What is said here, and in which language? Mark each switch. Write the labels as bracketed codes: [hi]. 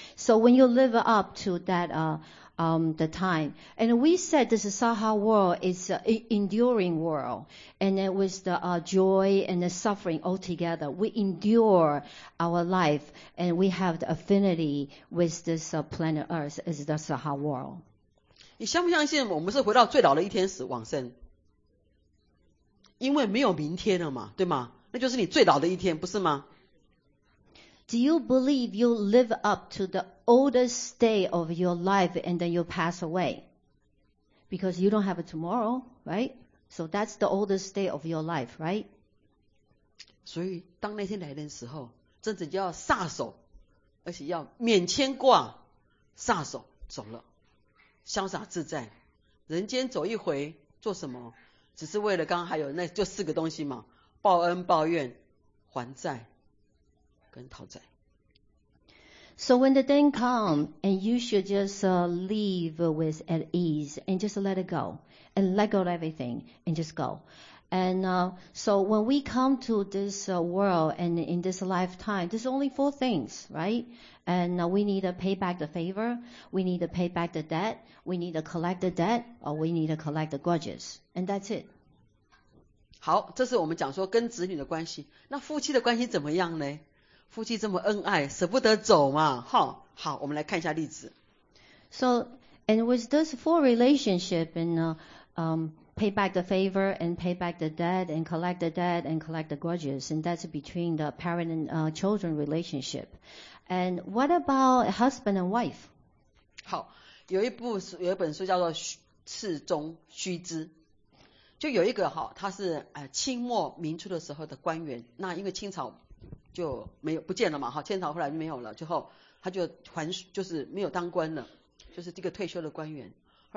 [en] So when you live up to that, the time. And we said this Saha world is an enduring world. And it was the joy and the suffering all together. We endure our life and we have the affinity with this planet Earth as the Saha world. [zh] 你相不相信我们是回到最老的一天时往生？因为没有明天了嘛，对吗？那就是你最老的一天，不是吗？ [en] Do you believe you live up to theoldest day of your life and then you pass away because you don't have a tomorrow, right? So that's the oldest day of your life, right? [zh] 所以当那天来的时候真的就要撒手，而且要免牵挂，撒手走了，潇洒自在，人间走一回做什么？只是为了刚刚还有那就四个东西嘛，报恩报怨还债跟讨债。 [en] So when the day comes, and you should just leave with at ease, and just let it go, and let go of everything, and just go. And so when we come to this world, and in this lifetime, there's only four things, right? And we need to pay back the favor, we need to pay back the debt, we need to collect the debt, or we need to collect the grudges. And that's it. [zh] 好，这是我们讲说跟子女的关系。那夫妻的关系怎么样呢？夫妻这么恩爱，舍不得走嘛，哈。好，我们来看一下例子。 [en] So, and with those four relationship, and pay back the favor, and pay back the debt, and collect the debt, and collect the grudges, and that's between the parent and children relationship. And what about husband and wife? [zh] 好，有一本书叫做《世宗须知》。就有一个哈，他是清末明初的时候的官员，那因为清朝就没有不见了嘛，哈，清朝后来就没有了，之后他就还就是没有当官了，就是这个退休的官员。后来